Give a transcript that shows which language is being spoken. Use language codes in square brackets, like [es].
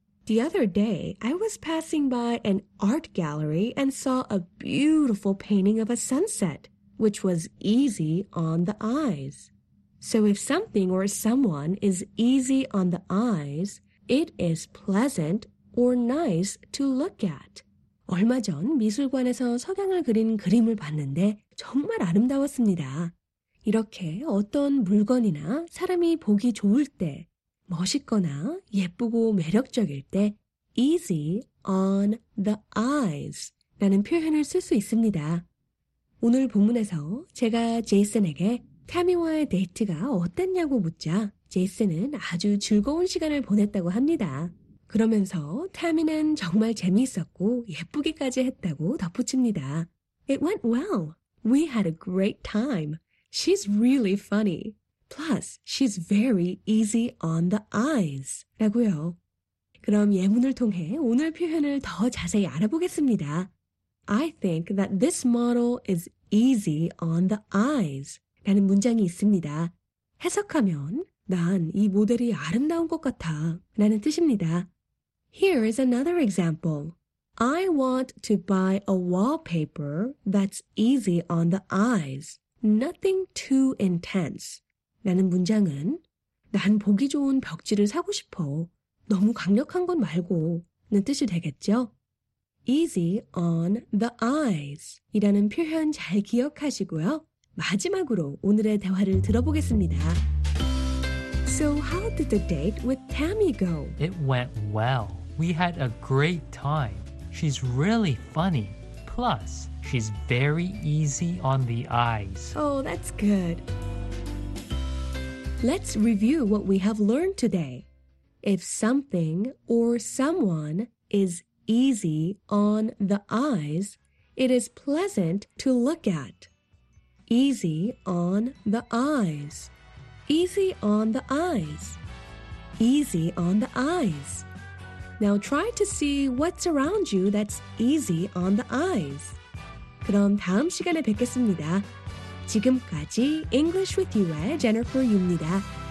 [en] The other day, I was passing by an art gallery and saw a beautiful painting of a sunset. Which was easy on the eyes. So if something or someone is easy on the eyes, It is pleasant or nice to look at. [ko] 얼마 전 미술관에서 석양을 그린 그림을 봤는데 정말 아름다웠습니다. 이렇게 어떤 물건이나 사람이 보기 좋을 때, 멋있거나 예쁘고 매력적일 때 easy on the eyes 라는 표현을 쓸 수 있습니다. 오늘 본문에서 제가 제이슨에게 타미와의 데이트가 어땠냐고 묻자 제이슨은 아주 즐거운 시간을 보냈다고 합니다. 그러면서 타미는 정말 재미있었고 예쁘기까지 했다고 덧붙입니다. [en] It went well. We had a great time. She's really funny. Plus, she's very easy on the eyes. [ko] 라고요. 그럼 예문을 통해 오늘 표현을 더 자세히 알아보겠습니다. [en] I think that this model is easy on the eyes. [ko] 라는 문장이 있습니다. 해석하면 난 이 모델이 아름다운 것 같아 라는 뜻입니다. [en] Here is another example. I want to buy a wallpaper that's easy on the eyes. Nothing too intense. [ko] 라는 문장은 난 보기 좋은 벽지를 사고 싶어. 너무 강력한 건 말고는 뜻이 되겠죠? Easy on the eyes 이라는 표현 잘 기억하시고요. 마지막으로 오늘의 대화를 들어보겠습니다. [en] So how did the date with Tammy go? It went well. We had a great time. She's really funny. Plus, she's very easy on the eyes. Oh, that's good. Let's review what we have learned today. If something or someone is easy on the eyes, it is pleasant to look at. Easy on the eyes. Easy on the eyes. Easy on the eyes. Now try to see what's around you that's easy on the eyes. [ko] 그럼 다음 시간에 뵙겠습니다. 지금까지 English with You의 Jennifer Yu입니다.